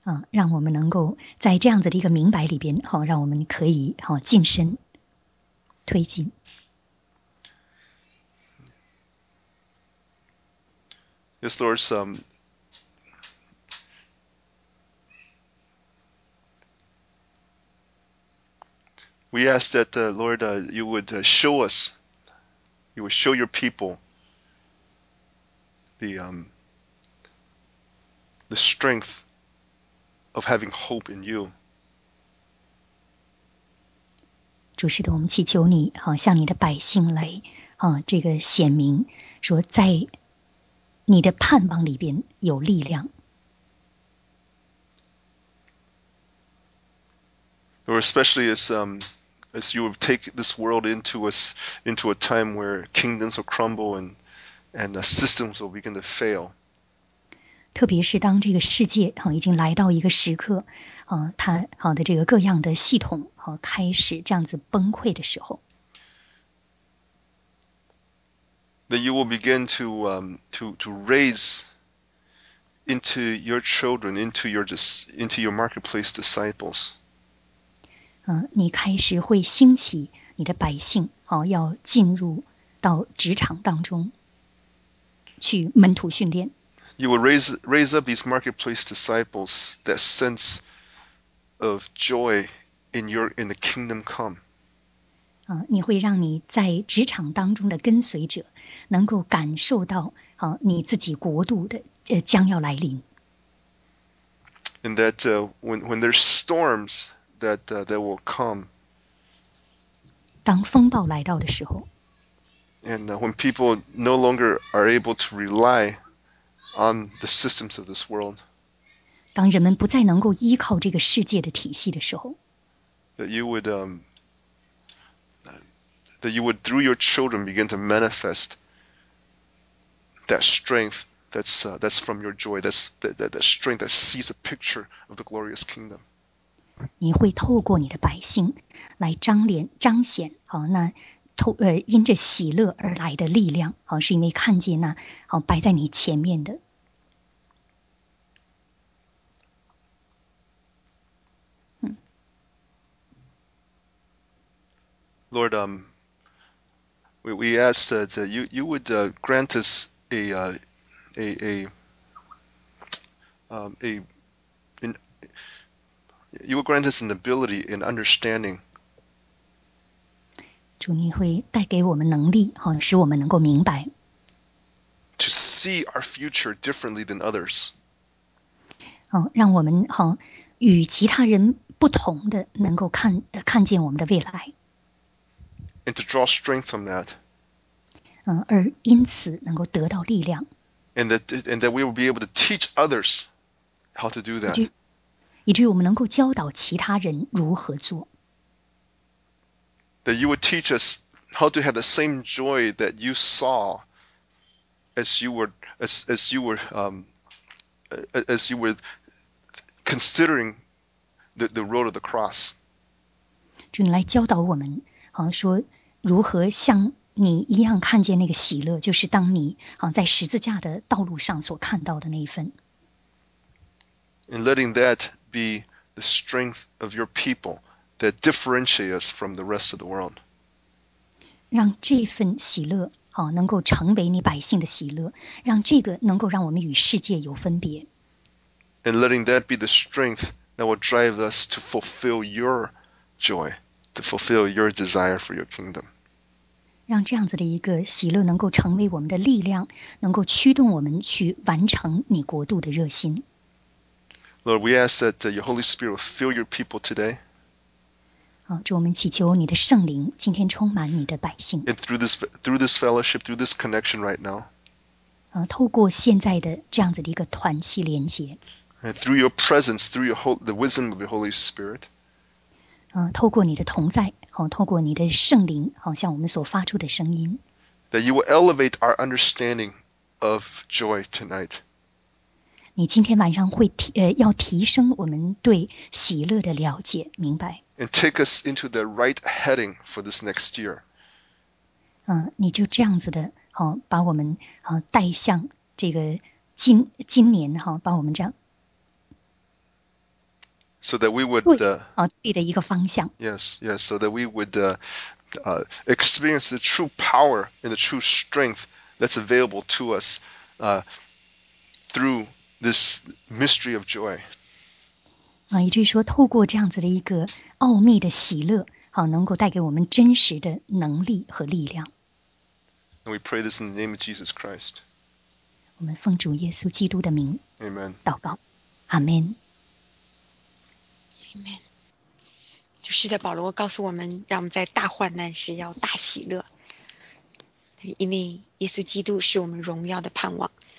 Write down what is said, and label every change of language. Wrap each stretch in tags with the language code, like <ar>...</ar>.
<zh>让我们能够在这样子的一个明白里边，让我们可以进深推进。</zh> <en>Yes, Lord, we ask that, Lord, you would show us, you would show your people the strength of having hope in you.</en> <zh>主使得我们祈求你，向你的百姓来，这个显明，说在你的盼望里边有力量。</zh> <en>Or especially as you would take this world into a time where kingdoms will crumble and And the systems will begin to fail.</en> <zh>特别是当这个世界、啊、已经来到一个时刻、啊、它、啊、的这个各样的系统、啊、开始这样子崩溃的时候。</zh> <en>Then you will begin to raise into your children, into your marketplace disciples.、</en> <zh>啊、你开始会兴起你的百姓、啊、要进入到职场当中。去门徒训练。</zh> <en>You will raise up these marketplace disciples that sense of joy in the kingdom come.</en> <zh>啊，你会让你在职场当中的跟随者能够感受到啊，你自己国度的将要来临。</zh> <en>And that when there's storms that will come.</en> <zh>当风暴来到的时候。</zh> <en>And when people no longer are able to rely on the systems of this world,</en> <zh>当人们不再能够依靠这个世界的体系的时候，</zh> <en>that you would through your children begin to manifest that strength that's from your joy, that strength that sees a picture of the glorious kingdom.</en> <zh>你会透过你的百姓来彰显好、哦、那。因着喜乐而来的力量、啊、是因为看见那、啊、摆在你前面的。</zh> <en>Lord, we asked that you would grant us you would grant us an ability and understanding.</en> <zh>主，你会带给我们能力，好使我们能够明白。</zh> <en>To see our future differently than others.</en> <zh>好，让我们好与其他人不同的能够看见我们的未来。</zh> <en>And to draw strength from that.</en> <zh>而因此能够得到力量。</zh> <en>And that we will be able to teach others how to do that.</en> <zh>以至于我们能够教导其他人如何做。</zh> <en>That you would teach us how to have the same joy that you saw as you were considering the road of the cross.</en> <zh>主，你来教导我们，好说如何像你一样看见那个喜乐，就是当你好在十字架的道路上所看到的那一份。</zh> <en>And letting that be the strength of your people. That differentiate us from the rest of the world.</en> <zh>让这份喜乐、啊、能够成为你百姓的喜乐，让这个能够让我们与世界有分别。</zh> <en>And letting that be the strength that will drive us to fulfill your joy, to fulfill your desire for your kingdom.</en> <zh>让这样子的一个喜乐能够成为我们的力量，能够驱动我们去完成你国度的热心。</zh> <en>Lord, we ask that your Holy Spirit will fill your people today.</en> <zh>主，我们祈求你的圣灵今天充满你的百姓。</zh> <en>And through this fellowship, through this connection right now.</en> <zh>透过现在的这样子的一个团契连结。</zh> <en>And through your presence, through the wisdom of the Holy Spirit.</en> <zh>透过你的同在，透过你的圣灵，向我们所发出的声音。</zh> <en>That you will elevate our understanding of joy tonight.</en> <zh>你今天晚上会要提升我们对喜乐的了解，明白。</zh> <en>And take us into the right heading for this next year.</en> <zh>你就这样子的，好、哦、把我们好、哦、带向这个今年，好、哦、把我们这样。</zh> <en>So that we would</en> <zh>对的一个方向。</zh> <en>Yes. So that we would experience the true power and the true strength that's available to us through this mystery of joy.</en> <zh>以至于说透过这样子的一个奥秘的喜乐、啊、能够带给我们真实的能力和力量。</zh> <en>And we pray this in the name of Jesus Christ.</en> <zh>我们奉主耶稣基督的名</zh> <en>Amen.</en> <zh>祷告。Amen.</zh> <en>Amen.</en> <zh>就是的，保罗告诉我们，让我们在大患难时要大喜乐，因为耶稣基督是我们荣耀的盼望。</zh>